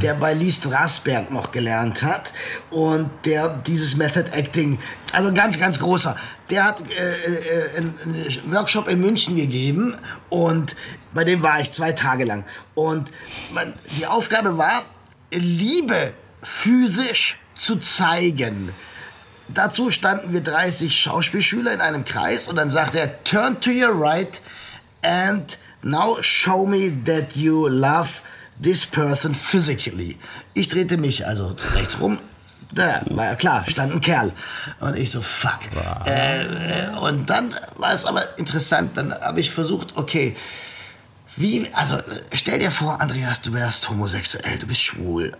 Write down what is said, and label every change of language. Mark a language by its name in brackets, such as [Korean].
[German] Der bei Lee Strasberg noch gelernt hat und der dieses Method Acting, also ganz, ganz großer, der hat einen Workshop in München gegeben und bei dem war ich 2 Tage lang. Und die Aufgabe war, Liebe physisch zu zeigen. Dazu standen wir 30 Schauspielschüler in einem Kreis und dann sagte er, [English] turn to your right and Now show me that you love this person physically. [German] Ich drehte mich also rechts rum. Da war ja klar, stand ein Kerl. Und ich so, fuck. Wow. Und dann war es aber interessant. Dann habe ich versucht, okay, wie, also stell dir vor, Andreas, du wärst homosexuell, du bist schwul.